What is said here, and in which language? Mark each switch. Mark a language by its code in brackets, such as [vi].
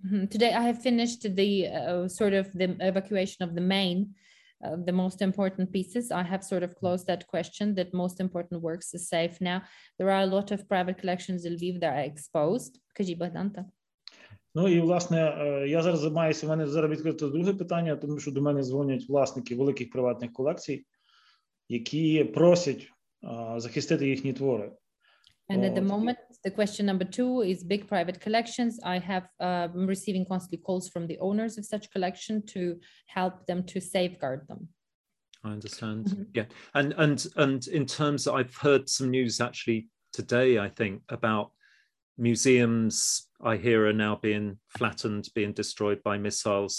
[en] Today I have finished the sort of the evacuation of the main, the most important pieces. I have sort of closed that question, that most important works are safe now. There are a lot of private collections in Lviv that are exposed. [uk] Кажіть, Богдан. Ну і, власне, я зараз займаюся, в мене зараз відкрито друге питання, тому що до мене дзвонять власники великих приватних колекцій, які просять захистити їхні твори. [en] And at the moment, the question number two is big private collections. I have receiving constantly calls from the owners of such collection to help them to safeguard them. I understand. Yeah. And in terms of, I've heard some news actually today, I think, about museums I hear are now being flattened, being destroyed by missiles.